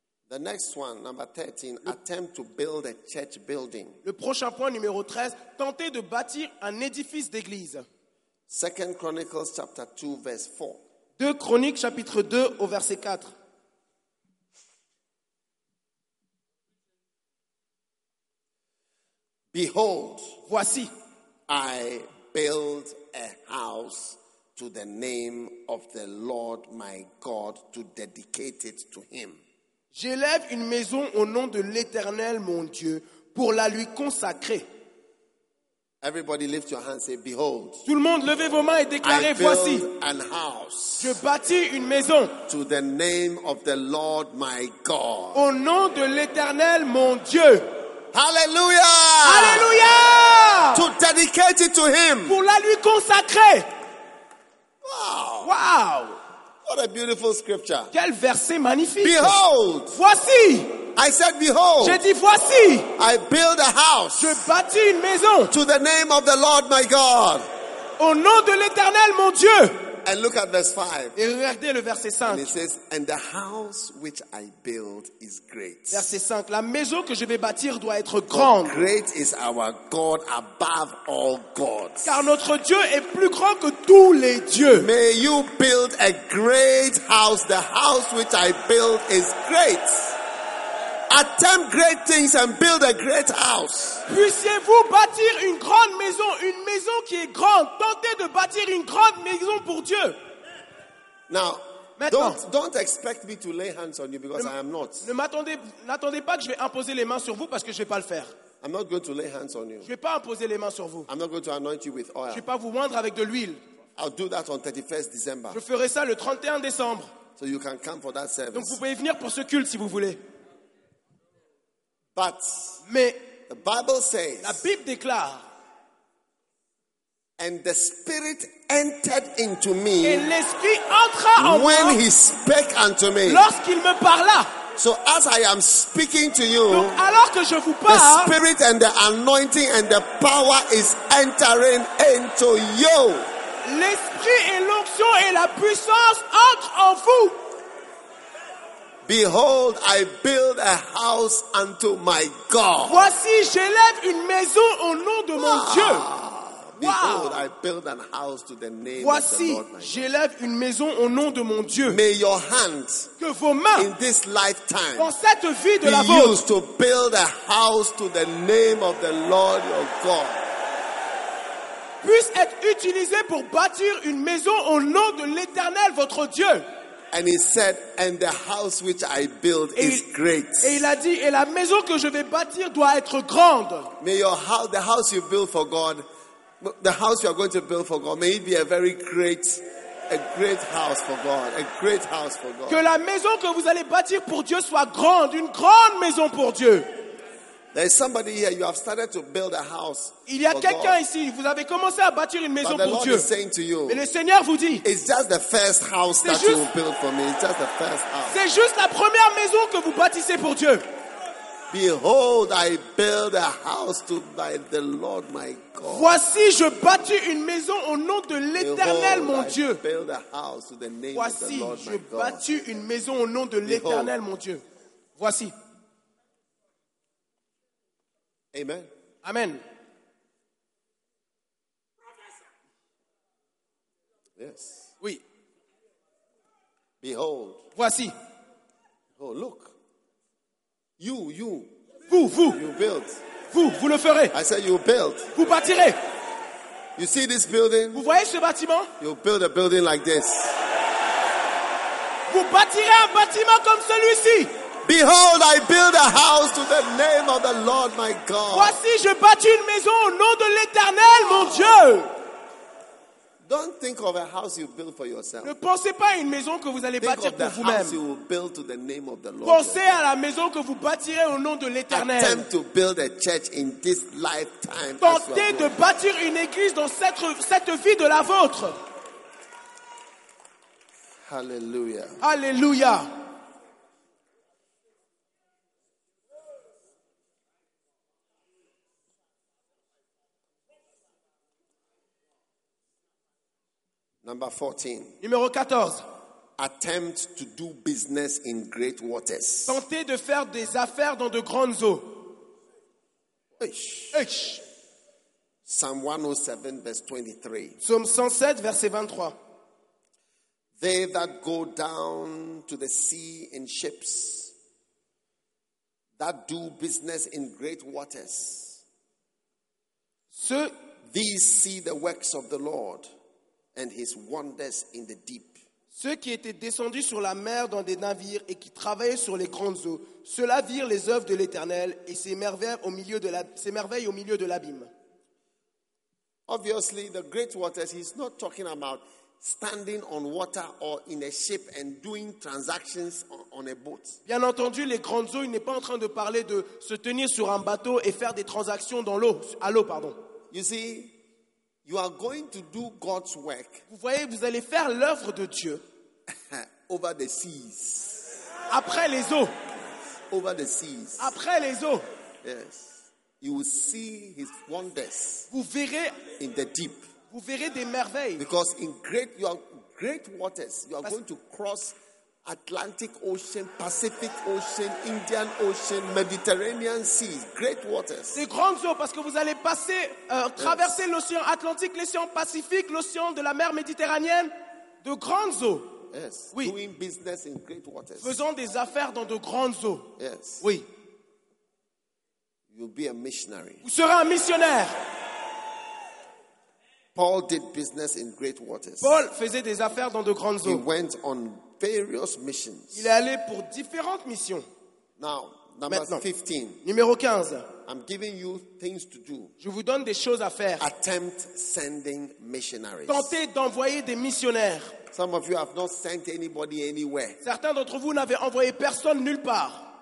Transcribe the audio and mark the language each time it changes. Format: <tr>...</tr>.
<en>the next one, number 13, attempt to build a church building.</en> <fr>Le prochain point, numéro 13, tenter de bâtir un édifice d'église.</fr> <en>2 Chronicles chapter 2, verse 4.</en> <fr>2 Chroniques, chapitre 2, au verset 4.</fr> <en>Behold,</en> <fr>voici,</fr> <en>I build a house to the name of the Lord my God to dedicate it to him.</en> <fr>J'élève une maison au nom de l'Éternel mon Dieu pour la lui consacrer.</fr> <en>Everybody lift your hands and say, behold.</en> <fr>Tout le monde levez vos mains et déclarez voici. Je bâtis une maison.</fr> <en>To the name of the Lord my God.</en> <fr>Au nom de l'Éternel mon Dieu. Hallelujah! Hallelujah!</fr> <en>To dedicate it to him.</en> <fr>Pour la lui consacrer. Wow! Wow!</fr> <en>What a beautiful scripture.</en> <fr>Quel verset magnifique.</fr> <en>Behold!</en> <fr>Voici!</fr> <en>I said behold!</en> <fr>J'ai dit voici!</fr> <en>I build a house.</en> <fr>Je bâtis une maison.</fr> <en>To the name of the Lord my God.</en> <fr>Au nom de l'Éternel mon Dieu.</fr> <en>And look at verse 5.</en> <fr>Et regardez le verset 5.</fr> <en>And it says, and the house which I build is great.</en> <fr>Verset 5. La maison que je vais bâtir doit être grande.</fr> <en>For great is our God above all gods.</en> <fr>Car notre Dieu est plus grand que tous les dieux.</fr> <en>May you build a great house. The house which I build is great. Attempt great things and build a great house.</en> <fr>Puissiez-vous bâtir une grande maison, une maison qui est grande. Tentez de bâtir une grande maison pour Dieu.</fr> <en>Now, don't expect me to lay hands on you because I am not.</en> <fr>N'attendez pas que je vais imposer les mains sur vous parce que je vais pas le faire.</fr> <en>I'm not going to lay hands on you.</en> <fr>Je vais pas imposer les mains sur vous.</fr> <en>I'm not going to anoint you with oil.</en> <fr>Je vais pas vous oindre avec de l'huile.</fr> <en>I'll do that on 31st December.</en> <fr>Je ferai ça le 31 décembre.</fr> <en>So you can come for that service.</en> <fr>Donc vous pouvez venir pour ce culte si vous voulez.</fr> <en>But</en> <fr>mais</fr> <en>the Bible says,</en> <fr>la Bible déclare,</fr> <en>and the Spirit entered into me,</en> <fr>et l'Esprit entra en moi,</fr> <en>when he spake unto me,</en> <fr>lorsqu'il me parla.</fr> <en>So as I am speaking to you,</en> <fr>donc alors que je vous parle,</fr> <en>the Spirit and the anointing and the power is entering into you.</en> <fr>L'Esprit et l'onction et la puissance entrent en vous.</fr> <en>Behold, I build a house unto my God.</en> <fr>Voici, j'élève une maison au nom de mon Dieu.</fr> <en>Behold, I build a house to the name</en> <fr>Voici,</fr> <en>of the Lord my God.</en> <fr>J'élève une maison au nom de mon Dieu.</fr> <en>May your hands</en> <fr>que vos mains</fr> <en>in this lifetime</en> <fr>dans cette vie de</fr> <en>be</en> <fr>la vôtre</fr> <en>used to build a house to the name of the Lord your God.</en> <fr>Puisse être utilisé pour bâtir une maison au nom de l'Éternel votre Dieu.</fr> <en>And he said, and the house which I build is great.</en> <fr>Et il a dit, et la maison que je vais bâtir doit être grande.</fr> <en>May your house, the house you build for God, the house you are going to build for God, may it be a great house for God.</en> <fr>Que la maison que vous allez bâtir pour Dieu soit grande, une grande maison pour Dieu.</fr> <en>There is somebody here, you have started to build a house.</en> <fr>Il y a quelqu'un ici, vous avez commencé à bâtir une maison pour Dieu.</fr> <en>But the Lord is saying to you,</en> <fr>mais le Seigneur vous dit,</fr> <en>it's just the first house that you will build for me. It's just the first house.</en> <fr>C'est juste la première maison que vous bâtissez pour Dieu.</fr> <en>Behold, I build a house to by the Lord my God.</en> <fr>Voici, je bâtis une maison au nom de l'Éternel mon Dieu.</fr> <en>I build a house to the name</en> <fr>Voici,</fr> <en>of the Lord</en> <fr>je</fr> <en>my God.</en> <fr>Bâtis une maison au nom de l'Éternel</fr> <en>Behold.</en> <fr>Mon Dieu. Voici. Amen. Amen.</fr> <en>Yes.</en> <fr>Oui.</fr> <en>Behold.</en> <fr>Voici.</fr> <en>Oh, look. You.</en> <fr>Vous.</fr> <en>You build.</en> <fr>Vous le ferez.</fr> <en>I said you build.</en> <fr>Vous bâtirez.</fr> <en>You see this building?</en> <fr>Vous voyez ce bâtiment?</fr> <en>You build a building like this.</en> <fr>Vous bâtirez un bâtiment comme celui-ci.</fr> <en>Behold, I build a house to the name of the Lord my God.</en> <fr>Voici, je bâtis une maison au nom de l'Éternel, mon Dieu.</fr> <en>Don't think of a house you build for yourself.</en> <fr>Ne pensez pas à une maison que vous allez</fr> <en>think</en> <fr>bâtir</fr> <en>of</en> <fr>pour vous-même.</fr> <en>House you will build to the name of the Lord.</en> <fr>Pensez à la maison que vous bâtirez au nom de l'Éternel.</fr> <en>Attempt to build a church in this lifetime.</en> <fr>Tentez de bâtir une église dans cette vie de la vôtre. Hallelujah. Hallelujah.</fr> <en>Number 14.</en> <fr>Numéro 14.</fr> <en>Attempt to do business in great waters.</en> <fr>Tenter de faire des affaires dans de grandes eaux.</fr> <en>Ech. Psalm 107, verse 23.</en> <fr>Psalm 107, verset 23.</fr> <en>They that go down to the sea in ships, that do business in great waters, these see the works of the Lord. And his wonders in the deep.</en> <fr>Ceux qui étaient descendus sur la mer dans des navires et qui travaillaient sur les grandes eaux, ceux-là virent les œuvres de l'Éternel et ses merveilles au milieu de l'abîme.</fr> <en>Obviously, the great waters, he's not talking about standing on water or in a ship and doing transactions on a boat.</en> <fr>Bien entendu, les grandes eaux, il n'est pas en train de parler de se tenir sur un bateau et faire des transactions à l'eau.</fr> <en>You see? You are going to do God's work.</en> <fr>Vous voyez, vous allez faire l'œuvre de Dieu.</fr> <en>Over the seas.</en> <fr>Après les eaux.</fr> <en>Over the seas.</en> <fr>Après les eaux.</fr> <en>Yes. You will see his wonders.</en> <fr>Vous verrez</fr> <en>in the deep.</en> <fr>Vous verrez des merveilles.</fr> <en>Because in great waters, you are going to cross Atlantic Ocean, Pacific Ocean, Indian Ocean, Mediterranean Sea, great waters.</en> <fr>Des grandes eaux parce que vous allez passer, traverser</fr> <en>yes.</en> <fr>L'océan Atlantique, l'océan Pacifique, l'océan de la mer Méditerranéenne, de grandes eaux.</fr> <en>Yes.</en> <fr>Oui.</fr> <en>Doing business in great waters.</en> <fr>Faisant des affaires dans de grandes eaux.</fr> <en>Yes.</en> <fr>Oui.</fr> <en>You'll be a missionary.</en> <fr>Vous serez un missionnaire.</fr> <en>Paul did business in great waters.</en> <fr>Paul faisait des affaires dans de grandes eaux.</fr> <en>He went on various missions.</en> <fr>Il est allé pour différentes missions.</fr> <en>Now, number</en> <fr>Maintenant,</fr> <en>15.</en> <fr>Numéro 15.</fr> <en>I'm giving you things to do.</en> <fr>Je vous donne des choses à faire.</fr> <en>Attempt sending missionaries.</en> <fr>Tentez d'envoyer des missionnaires.</fr> <en>Some of you have not sent anybody anywhere.</en> <fr>Certains d'entre vous n'avaient envoyé personne nulle part.</fr>